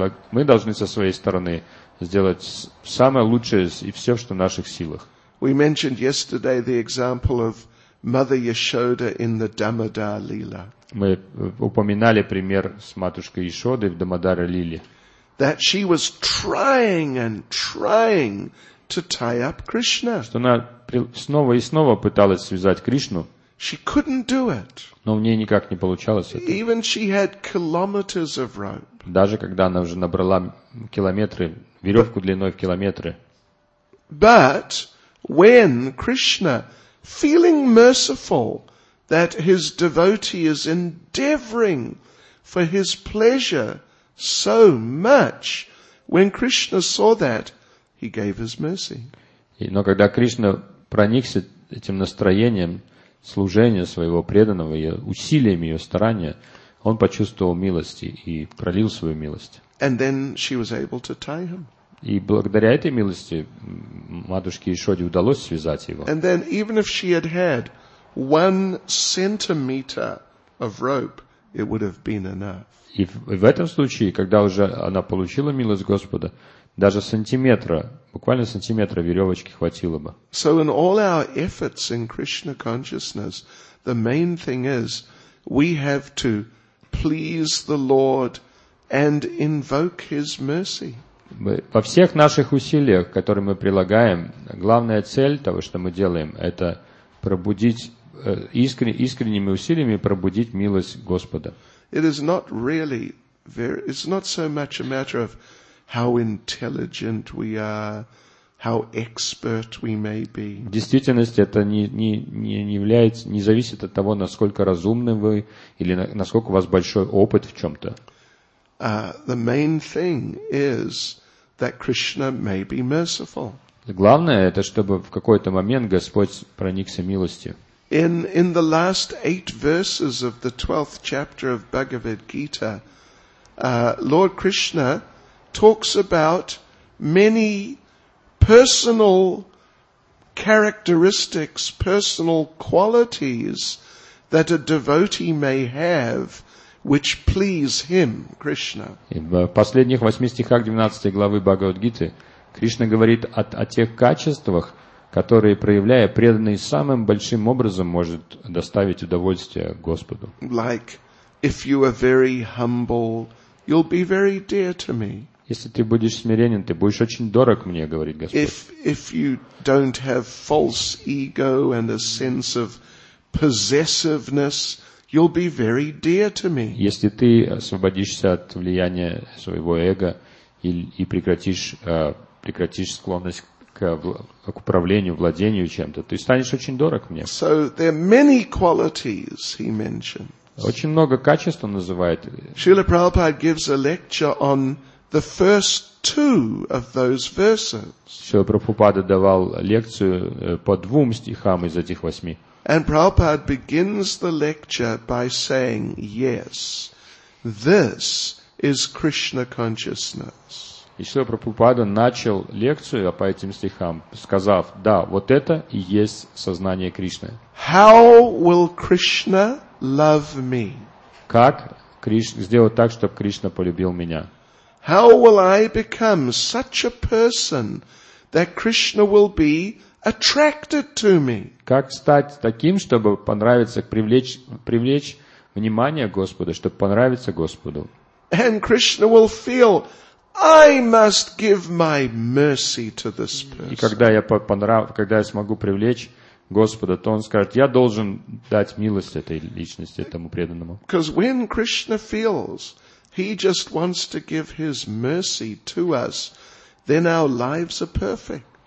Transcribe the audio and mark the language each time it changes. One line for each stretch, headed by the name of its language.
Russian: Мы должны со своей стороны сделать самое лучшее и все, что в наших силах.
English: We mentioned yesterday the example of Mother Yashoda in the Damodara Lila.
Russian: Мы упоминали пример с матушкой Ишодой в Дамодара Лиле.
English: That she was trying and trying to tie up Krishna.
Russian: Что она снова и снова пыталась связать Кришну.
English: She couldn't do it.
Russian: Но в ней никак не получалось это.
English: Even she had kilometers of rope.
Russian: Даже когда она уже набрала километры, веревку длиной в километры.
English: But when Krishna, feeling merciful that his devotee is endeavoring for his pleasure so much, when Krishna saw that, he gave his mercy.
Russian: Но когда Кришна проникся этим настроением служения своего преданного, усилием ее старания, он почувствовал милость и пролил свою милость.
English: And then she was able to tie him.
Russian: И благодаря этой милости матушке Ишоде удалось связать его.
English: And then, even if she had had 1 centimeter of rope, it would have been enough.
Russian: И в этом случае, когда уже она получила милость Господа, даже сантиметра, буквально сантиметра веревочки хватило бы.
English: So in all our efforts in Krishna consciousness, the main thing is we have to please the Lord and invoke His mercy.
Russian: Во всех наших усилиях, которые мы прилагаем, главная цель того, что мы делаем, это пробудить искренними усилиями пробудить милость Господа.
English: It is not really very, it's not so much a matter of how intelligent we are, how expert we may be.
Russian: В действительности это не зависит от того, насколько разумны вы или насколько у вас большой опыт в чем-то.
English: The main thing is that Krishna may be merciful.
Russian: Главное это, чтобы в какой-то момент Господь проникся милостью.
English: In the last 8 verses of the 12th chapter of Bhagavad Gita, Lord Krishna talks about many personal characteristics, personal qualities that a devotee may have which please him, Krishna.
Russian: В последних 8 стихах 12 главы Бхагавад Гиты Кришна говорит о тех качествах, которые, проявляя преданный самым большим образом, может доставить удовольствие Господу.
English: Like, if you are very humble, you'll be very dear to me.
Russian: Если ты будешь смиренен, ты будешь очень дорог мне, говорит Господь.
English: If you don't have false ego and a sense of possessiveness, you'll be very dear to me.
Russian: Если ты освободишься от влияния своего эго и прекратишь склонность к управлению, владению чем-то, ты станешь очень дорог мне.
English: So there are many qualities he mentions.
Russian: Очень много качеств он называет.
English: Srila Prabhupada gives a lecture on the first 2 of those verses.
Russian: Srila Prabhupada давал лекцию по 2 стихам из этих 8.
English: And Prabhupada begins the lecture by saying, yes, this is Krishna consciousness.
Russian: И Шрила Прабхупада начал лекцию по этим стихам, сказав, да, вот это и есть сознание Кришны.
English: How will Krishna love me?
Russian: Как сделать так, чтобы Кришна полюбил меня?
English: How will I become such a person that Krishna will be attracted to me?
Russian: Как стать таким, чтобы понравиться, привлечь внимание Господа, чтобы понравиться Господу?
English: And Krishna will feel I must give my mercy to this person.
Russian: И когда я смогу привлечь Господа, то он скажет: "Я должен дать милость этой личности, этому преданному".
English: Because when Krishna feels he just wants to give his mercy to us, then our lives are perfect.